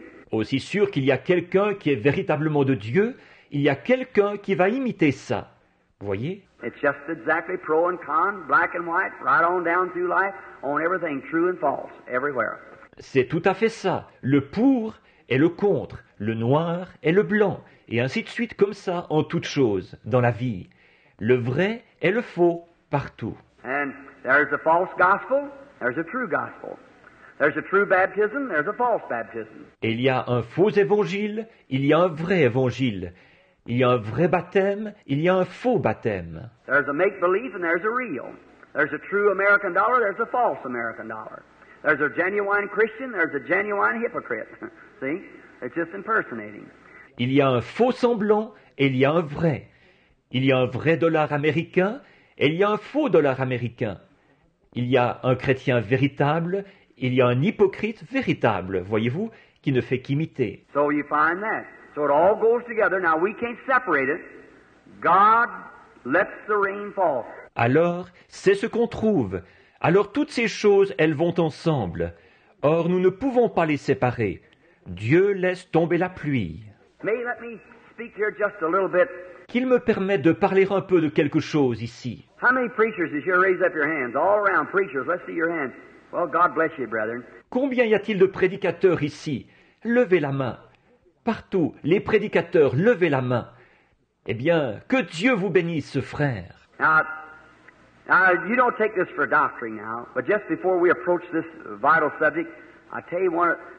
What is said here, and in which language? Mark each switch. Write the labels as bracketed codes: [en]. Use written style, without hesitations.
[fr] Aussi sûr qu'il y a quelqu'un qui est véritablement de Dieu, il y a quelqu'un qui va imiter ça. Voyez? [en] It's just exactly pro and con, black and white, right on down through life, on everything, true and false, everywhere. [fr] C'est tout à fait ça. Le pour et le contre, le noir et le blanc, et ainsi de suite comme ça en toutes choses, dans la vie. Le vrai et le faux partout. [en] And there's a false gospel, there's a true gospel. There's a true baptism, there's a false baptism. [fr] Il y a un faux évangile, il y a un vrai évangile. Il y a un vrai baptême, il y a un faux baptême. [en] There's a make-believe and there's a real. There's a true American dollar, there's a false American dollar. There's a genuine Christian, there's a genuine hypocrite. See? It's just impersonating. [fr] Il y a un faux semblant et il y a un vrai. Il y a un vrai dollar américain et il y a un faux dollar américain. Il y a un chrétien véritable, il y a un hypocrite véritable, voyez-vous, qui ne fait qu'imiter. [en] So you find that. So it all goes together. Now we can't separate it. God lets the rain fall. [fr] Alors, c'est ce qu'on trouve. Alors toutes ces choses, elles vont ensemble. Or, nous ne pouvons pas les séparer. Dieu laisse tomber la pluie. [en] May let me speak here just a little bit. [fr] Qu'il me permette de parler un peu de quelque chose ici. [en] How many preachers is here? Raise up your hands. All around, preachers, let's see your hands. Well, God bless you, brethren. [fr] Combien y a-t-il de prédicateurs ici? Levez la main. Partout, les prédicateurs, levez la main. Eh bien, que Dieu vous bénisse, frère. [en] You don't take this for doctrine now, but just before we approach this vital subject, I tell you one...